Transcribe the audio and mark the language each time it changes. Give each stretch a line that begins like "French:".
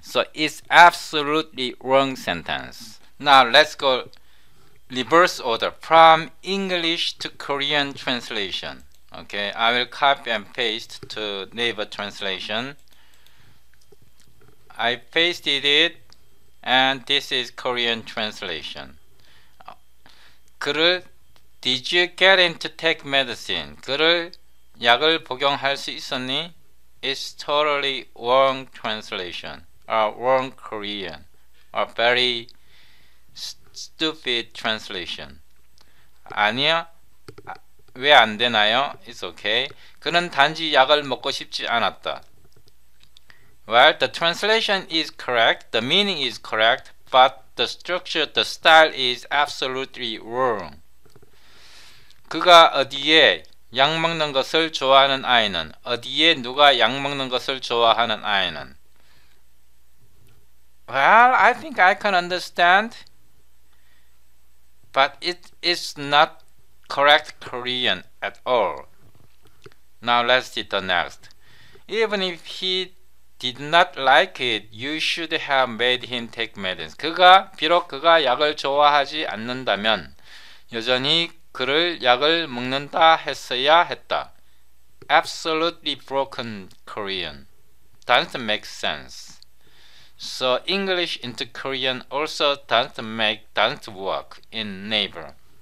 English: So it's absolutely wrong sentence. Now let's go reverse order from English to Korean translation. Okay, I will copy and paste to NAVER translation. I pasted it and this is Korean translation. 그를 did you get into take medicine?
Korean: 그를 약을 복용할 수 있었니?
English: It's totally wrong translation, or wrong Korean, or very stupid translation.
Korean: 아니요, 왜 안 되나요?
English: It's okay.
Korean: 그는 단지 약을 먹고 싶지 않았다.
English: Well, the translation is correct, the meaning is correct, but the structure, the style is absolutely wrong.
Korean: 그가 어디에 약 먹는 것을 좋아하는 아이는 어디에 누가 약 먹는 것을 좋아하는 아이는?
English: Well, I think I can understand, but it is not correct Korean at all. Now let's see the next. Even if he did not like it, you should have made him take medicine.
Korean: 비록 그가 약을 좋아하지 않는다면, 여전히 그를 약을 먹는다 했어야 했다.
English: Absolutely broken Korean. Doesn't make sense. So English into Korean also doesn't work in NAVER.